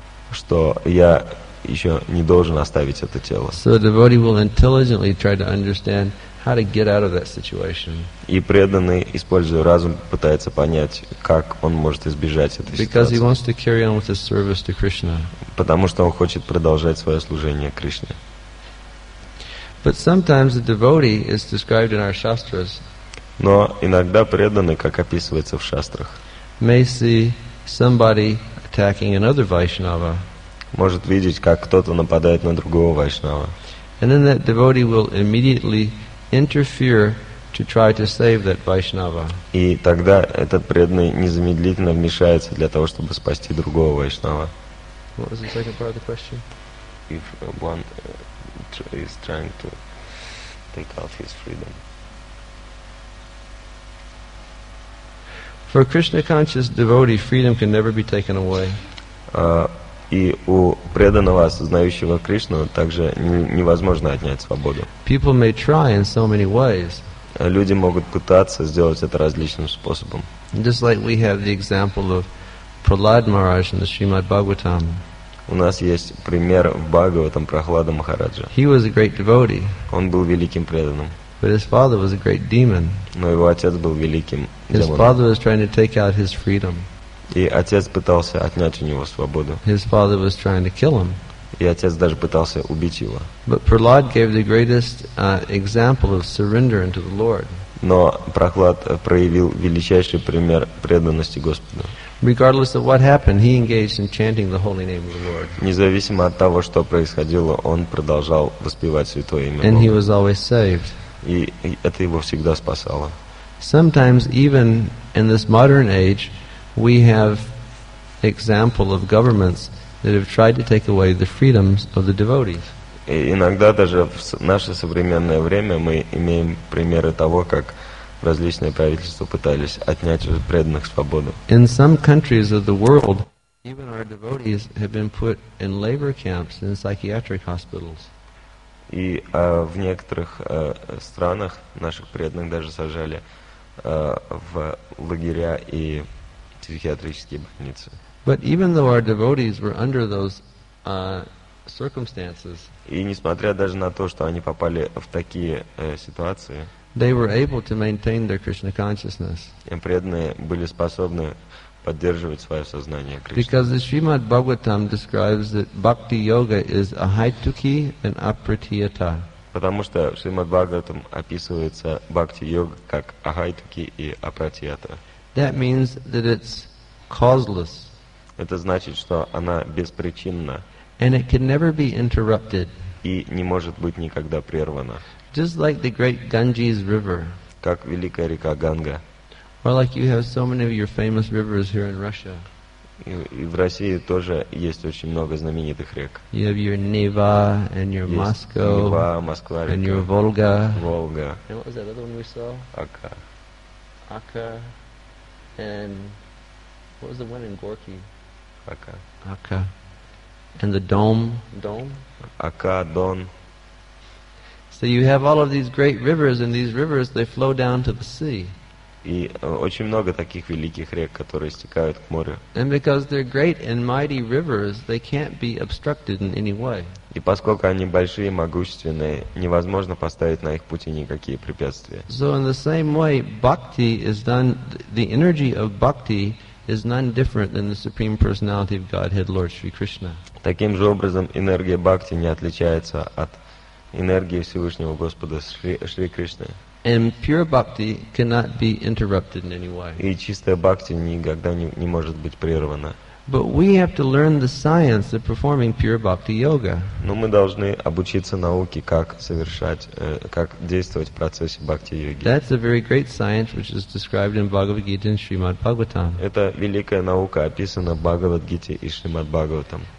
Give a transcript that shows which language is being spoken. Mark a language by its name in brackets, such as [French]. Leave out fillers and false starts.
[Russian] Что я еще не должен оставить это тело. [English] So a devotee will intelligently try to understand how to get out of that situation. [Russian] И преданный, используя разум, пытается понять, как он может избежать этой ситуации. [English] Because he wants to carry on with his service to Krishna. [Russian] Потому что он хочет продолжать свое служение Кришне. [English] But sometimes a devotee is described in our shastras. [Russian] Но иногда преданный, как описывается в шастрах, [English] may see somebody attacking another Vaishnava. [Russian] Может видеть, как кто-то нападает на другого Вайшнава. [English] And then that devotee will immediately interfere to try to save that Vaishnava. [Russian] И тогда этот преданный незамедлительно вмешается для того, чтобы спасти другого Вайшнава. [English] What was the second part of the question? If one is trying to take out his freedom. For a Krishna-conscious devotee, freedom can never be taken away. [Russian] И у преданного, осознающего Кришну, также невозможно отнять свободу. [English] People may try in so many ways. [Russian] Люди могут пытаться сделать это различным способом. [English] Just like we have the example of Prahlad Maharaj in the Srimad Bhagavatam. [Russian] У нас есть пример в Бхагаватам Прахлада Махараджа. [English] He was a great devotee. [Russian] Он был великим преданным. [English] But his father was a great demon. [Russian] Но его отец был великим демоном. [English] His father was trying to take out his freedom. [Russian] И отец пытался отнять у него свободу. [English] His father was trying to kill him. [Russian] И отец даже пытался убить его. [English] But Prahlad gave the greatest example of surrender unto the Lord. [Russian] Но Прахлад проявил величайший пример преданности Господу. [English] Regardless of what happened, he engaged in chanting the holy name of the Lord. [Russian] Независимо от того, что происходило, он продолжал воспевать святое имя Бога. [English] And he was always saved. [Russian] И это его всегда спасало. [English] Sometimes even in this modern age, we have example of governments that have tried to take away the freedoms of the devotees. [Russian] Иногда даже в наше современное время мы имеем примеры того, как различные правительства пытались отнять у преданных свободу. [English] In some countries of the world, even our devotees have been put in labor camps in psychiatric hospitals. [Russian] И в некоторых странах наших преданных даже сажали в лагеря и психиатрические больницы. [English] But even though our devotees were under those circumstances, [Russian] и несмотря даже на то, что они попали в такие ситуации, [English] they were able to maintain their Krishna consciousness. [Russian] И преданные были способны поддерживать свое сознание Кришны. [English] Because the Srimad Bhagavatam describes that bhakti yoga is ahaituki and apratiyata. [Russian] Потому что в Srimad Bhagavatam описывается бхакти йога как ахайтуки и апратиата. [English] That means that it's causeless. [Russian] Это значит, что она беспричинна. [English] And it can never be interrupted. [Russian] И не может быть никогда прервана. [English] Just like the great Ganges River. [Russian] Как великая река Ганга. [English] Or like you have so many of your famous rivers here in Russia. [Russian] И в России тоже есть очень много знаменитых рек. [English] You have your Neva and your Moscow. [Russian] Есть Нева, Москва, река. [English] And your Volga. [Russian] Волга. [English] And what was that other one we saw? [Russian] Ака. [English] Ака. And what was the one in Gorky? Aka. Aka. And the dome? Dome? Aka, Don. So you have all of these great rivers, and these rivers, they flow down to the sea. [Russian] И очень много таких великих рек, которые стекают к морю. [English] And because they're great and mighty rivers, they can't be obstructed in any way. [Russian] И поскольку они большие, могущественные, невозможно поставить на их пути никакие препятствия. [English] So in the same way, bhakti is done, the energy of bhakti is none different than the Supreme Personality of Godhead, Lord Shri Krishna. [Russian] Таким же образом, энергия бхакти не отличается от энергии Всевышнего Господа Шри Кришны. [English] And pure bhakti cannot be interrupted in any way. [Russian] И чистая бхакти никогда не может быть прервана. [English] But we have to learn the science of performing pure bhakti yoga. [Russian] Но мы должны обучиться науке, как совершать, как действовать в процессе бхакти йоги. [English] That's a very great science, which is described in Bhagavad Gita and Srimad Bhagavatam. [Russian] Это великая наука, описана в Бхагавад Гите и Шримад Бхагаватам.